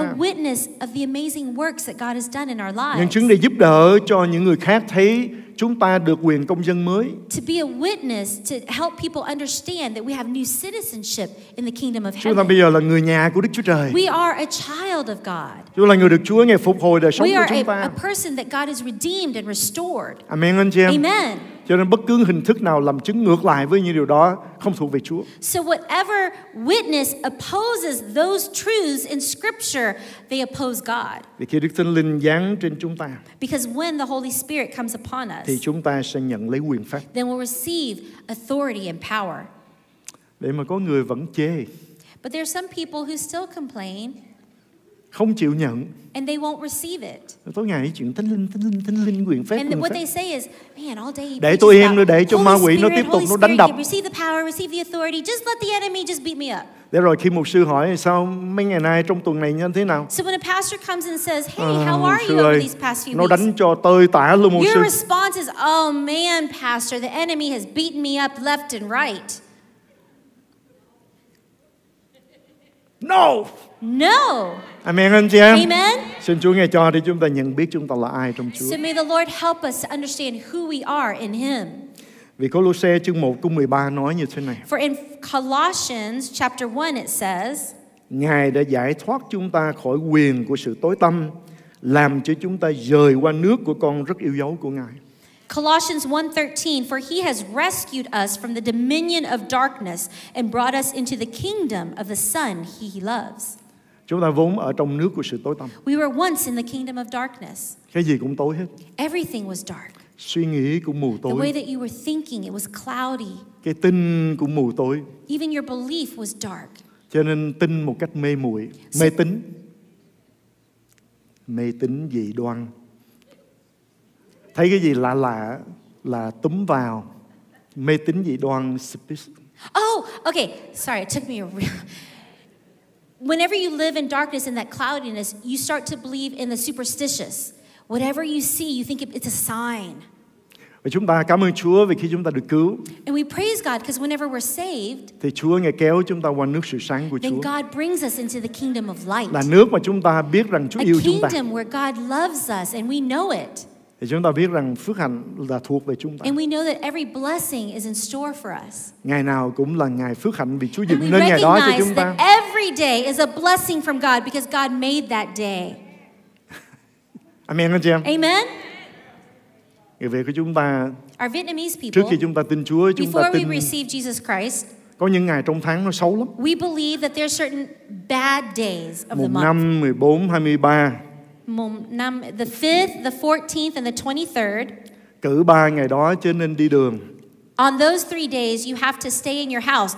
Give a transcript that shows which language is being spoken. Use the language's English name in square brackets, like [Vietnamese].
[English] A witness of the amazing works that God has done in our lives. [Vietnamese] Nhân chứng để giúp đỡ cho những người khác thấy chúng ta được quyền công dân mới. [English] To be a witness to help people understand that we have new citizenship in the kingdom of heaven. [Vietnamese] Chúng ta bây giờ là người nhà của Đức Chúa Trời. [English] We are a child of God. [Vietnamese] Chúng ta là người được Chúa ngài phục hồi đời sống của chúng ta. [English] We are a person that God has redeemed and restored. [Vietnamese] Amen, anh chị em. [English] Amen. [Vietnamese] Cho nên bất cứ hình thức nào làm chứng ngược lại với những điều đó không thuộc về Chúa. [English] So whatever witness opposes those truths in Scripture, they oppose God. [Vietnamese] Vì khi Đức Thánh Linh giáng trên chúng ta. [English] Because when the Holy Spirit comes upon us. [Vietnamese] Thì chúng ta sẽ nhận lấy quyền phép. [English] Then we'll receive authority and power. [Vietnamese] Để mà có người vẫn chê. [English] But there are some people who still complain. [Vietnamese] Không chịu nhận. [English] And they won't receive it. [Vietnamese] Tối ngày chuyện thánh linh quyền phép. [English] And what they say is, man, all day. [Vietnamese] Để tôi yên nữa, để cho ma quỷ nó tiếp tục nó đánh đập. [English] Receive the power, receive the authority. Just let the enemy just beat me up. [Vietnamese] Để rồi khi mục sư hỏi sao mấy ngày nay trong tuần này như thế nào? [English] So when a pastor comes and says, hey, how are you over these past few weeks? [Vietnamese] Nó đánh cho tơi tả luôn mục sư. [English] Your response is, oh man, pastor, the enemy has beaten me up left and right. No. No. [Vietnamese] Amen, anh chị em. [English] Amen. [Vietnamese] Xin Chúa nghe cho để chúng ta nhận biết chúng ta là ai trong Chúa. [English] So may the Lord help us to understand who we are in Him. [Vietnamese] Vì Colossae chương 1 câu 13 nói như thế này. [English] For in Colossians chapter 1 it says, [Vietnamese] Ngài đã giải thoát chúng ta khỏi quyền của sự tối tăm, làm cho chúng ta dời qua nước của con rất yêu dấu của Ngài. [English] Colossians 1:13, for He has rescued us from the dominion of darkness and brought us into the kingdom of the Son He loves. [Vietnamese] Chúng ta vốn ở trong nước của sự tối tăm. [English] We were once in the kingdom of darkness. [Vietnamese] Cái gì cũng tối hết. [English] Everything was dark. [Vietnamese] Suy nghĩ cũng mù tối. [English] The way that you were thinking, it was cloudy. [Vietnamese] cái tin cũng mù tối. [English] Even your belief was dark. [Vietnamese] Cho nên tin một cách mê muội, mê tín. Mê tín dị đoan. Thấy cái gì lạ lạ là túm vào. Mê tín dị đoan. [English] Oh, okay. Sorry, it took me a real... Whenever you live in darkness and that cloudiness, you start to believe in the superstitious. Whatever you see, you think it's a sign. [Vietnamese] Và chúng ta cảm ơn Chúa vì khi chúng ta được cứu. [English] And we praise God because whenever we're saved, [Vietnamese] thì Chúa ngài kéo chúng ta qua nước sự sáng của Chúa. [English] Then God brings us into the kingdom of light. [Vietnamese] Là nước mà chúng ta biết rằng Chúa yêu chúng ta. [English] A kingdom where God loves us and we know it. [Vietnamese] Thì chúng ta biết rằng phước hạnh là thuộc về chúng ta. [English] And we know that every blessing is in store for us. [Vietnamese] Ngày nào cũng là ngày phước hạnh vì Chúa dựng nên ngày đó cho chúng ta. [English] And we recognize that every day is a blessing from God because God made that day. [Vietnamese] Amen, anh chị em. [English] Amen. [Vietnamese] Người Việt của chúng ta, [English] our Vietnamese people, [Vietnamese] trước khi chúng ta tin Chúa, chúng [English] before [Vietnamese] ta tin, [English] we receive Jesus Christ, [Vietnamese] có những ngày trong tháng nó xấu lắm. [English] We believe that there are certain bad days of [Vietnamese] mùng [English] the month. [Vietnamese] 5, 14, 23. Mùng 5, [English] the 5th, the 14th, and the 23rd. [Vietnamese] Cử ba ngày đó cho nên đi đường. [English] On those three days, you have to stay in your house.